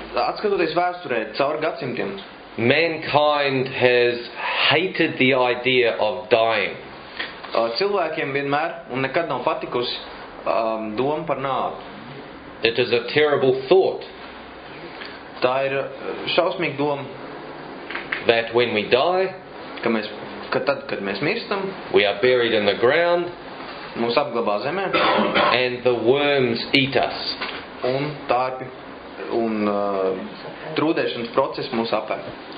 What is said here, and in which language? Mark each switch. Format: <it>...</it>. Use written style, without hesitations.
<lv>atskatoties vēsturē, caur gadsimtiem,</lv> <en>mankind has hated the idea of dying.</en> <lv>Cilvēkiem vienmēr un nekad nav patikusi doma par nāvi.</lv> <en>It is a terrible thought.</en> <lv>Tā ir šausmīga doma.</lv> <en>That when we die,</en> <lv>kad mēs mirstam,</lv> <en>we are buried in the ground,</en> <lv>mūs apglabā zemē,</lv> <en>and the worms eat us.</en> <lv>Un tārpi un trūdēšanas process mūs apēd.</lv>